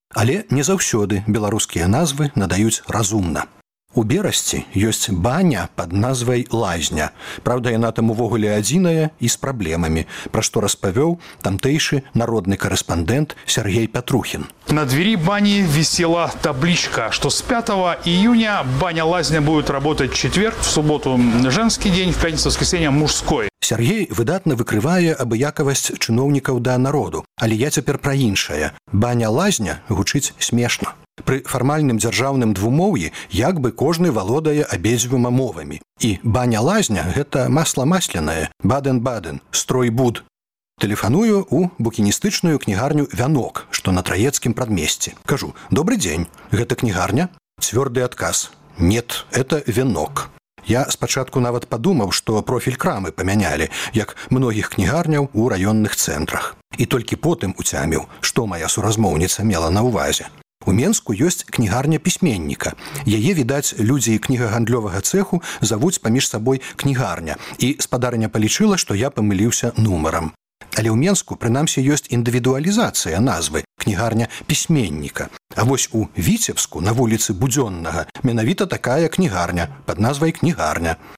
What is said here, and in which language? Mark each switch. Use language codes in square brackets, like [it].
[be] Але не заўсёды белорусские назвы надаюць разумна. У Берасці ёсць баня пад назвай «Лазня». Правда, яна там увогуле адзіная і з праблемамі, пра што распавёў тамтейшы народны корэспандэнт Сергей Пятрухін. [ru] На двери бани висела табличка, что с 5 июня баня-лазня будет работать четверг, в субботу женский день, в пятницу, воскресенье мужской. [be] Сергей выдатно выкрывае абыякавасць чыноўнікаў да народу. Але я цяпер пра іншае. Баня-лазня гучыць смешна. [ru] При формальном державном двумове, [be] як бы каждый володая обедзвюма мовами. [ru] И баня-лазня – это масло масляное, баден-баден, строй-буд. Телефоную [be] у букіністычную книгарню [ru] «Вянок», что на Троецким прадмесці. Кажу, добрый день, это книгарня? Твердый отказ. Нет, это «Вянок». Я спочатку нават подумал, что профиль крамы поменяли, [be] як многих книгарняў у районных центрах. [ru] И только потым утямил, что моя суразмоўница [be] мела на увазе. У Менску ёсць кнігарня пісьменніка. Яе, відаць, людзі кнігагандлёвага цэху завуць паміж сабой кнігарня. І спадарня палічыла, што я памыліўся нумарам. Але ў Менску, прынамсі, ёсць індывідуалізацыя назвы кнігарня пісьменніка. А вось у Віцебску, на вуліцы Будзённага, менавіта такая кнігарня пад назвай кнігарня.